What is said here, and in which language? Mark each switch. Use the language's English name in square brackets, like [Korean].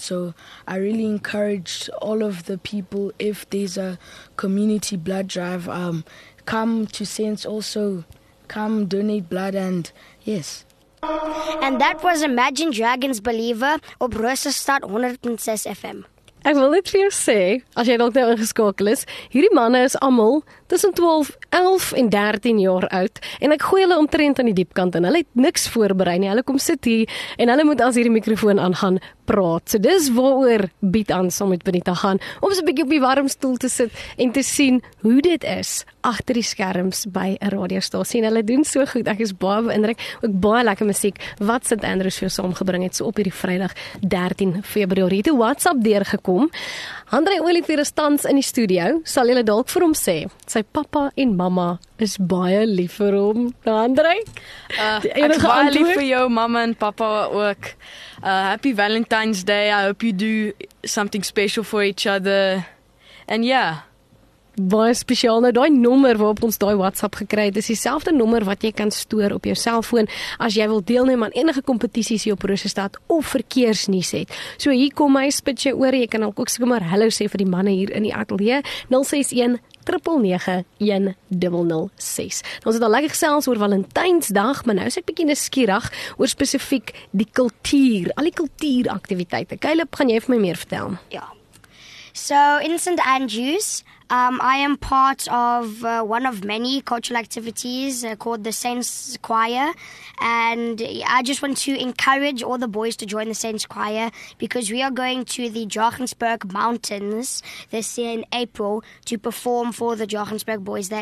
[English] So I really encourage all of the people, if there's a community blood drive, come to Saints also, come donate blood and yes. And that was Imagine Dragons Believer op Rosestad 106 FM. [Afrikaans] Ek wil net vir jou sê, as jy dalk nou ingeskakel is, hierdie manne is almal tussen 12, 11 en 13 jaar oud en ek gooi hulle omtrent aan die diepkant en hulle het niks voorberei nie. Hulle kom sit hier en hulle moet as hierdie mikrofoon aangaan praat. So dis waaroor Bied aan saam met Benita gaan, om so 'n bietjie op die warm stoel te sit en te sien hoe dit is agter die skerms by 'n radiostasie. En hulle doen so goed. Ek is baie beïndruk. Ook baie lekker musiek wat St. Andrews vir saamgebring het so op hierdie Vrydag 13 Februarie. Het 'n WhatsApp deurgekom. Andre Olivier is tans in die studio. Sal julle dalk vir hom sê, sy pappa en mamma is baie lief vir hom. Nou, Andre? Ek is baie lief vir jou mamma en pappa ook. [English] Happy Valentine's Day. I hope you do something special for each other. And yeah. [Afrikaans] Baie spesiaal. Nou, die nommer waarop ons die WhatsApp gekry het, is dieselfde nommer wat jy kan stoor op jou selfoon as jy wil deelneem aan enige kompetities hier op Rosestad of verkeersnuus het. So hier kom my spitsje oor. Jy kan ook sommer hallo sê vir die manne hier in die ateljee. 061-999-1006. Nou, ons het al lekker gesels oor Valentynsdag, maar nou is ek bietjie nuuskierig oor spesifiek die kultuur, al die kultuuraktiwiteite. Caleb, gaan jy vir my meer vertel? Ja. So, in St. [English] Andrews, I am part of one of many cultural activities called the Saints Choir. And I just want to encourage all the boys to join the Saints Choir because we are going to the Drakensberg Mountains this year in April to perform for the Drakensberg boys there.